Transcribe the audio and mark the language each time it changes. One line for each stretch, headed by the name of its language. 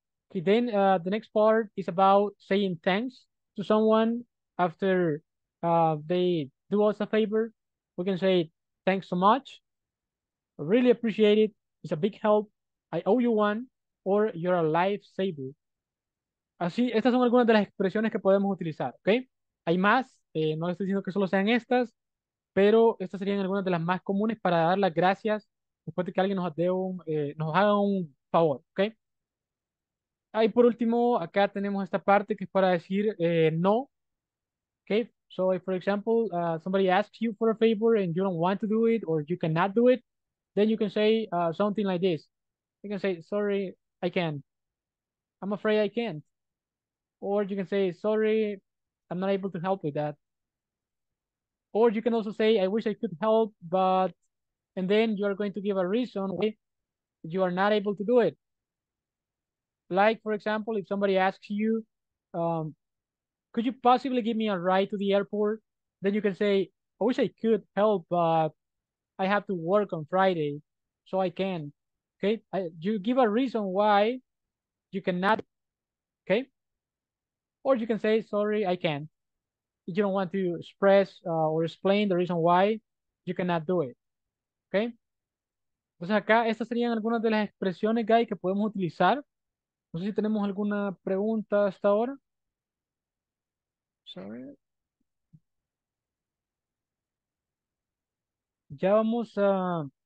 English: Okay, then the next part is about saying thanks to someone after they do us a favor. We can say, thanks so much, I really appreciate it, it's a big help, I owe you one, or you're a lifesaver.
Spanish: Así, estas son algunas de las expresiones que podemos utilizar, okay? Hay más. No estoy diciendo que solo sean estas, pero estas serían algunas de las más comunes para dar las gracias después de que alguien nos haga un favor, ¿ok? Ahí por último, acá tenemos esta parte que es para decir no, ¿ok?
English: So, if, for example, somebody asks you for a favor and you don't want to do it or you cannot do it, then you can say something like this. You can say, sorry, I can't. I'm afraid I can't. Or you can say, sorry, I'm not able to help with that. Or you can also say, I wish I could help, but, and then you are going to give a reason why you are not able to do it. Like, for example, if somebody asks you, could you possibly give me a ride to the airport? Then you can say, I wish I could help, but I have to work on Friday, so I can. Okay, you give a reason why you cannot, okay? Or you can say, sorry, I can't. If you don't want to express or explain the reason why, you cannot do it, okay?
Spanish: Entonces acá, estas serían algunas de las expresiones, guys, que podemos utilizar. No sé si tenemos alguna pregunta hasta ahora. Sorry. Ya vamos a...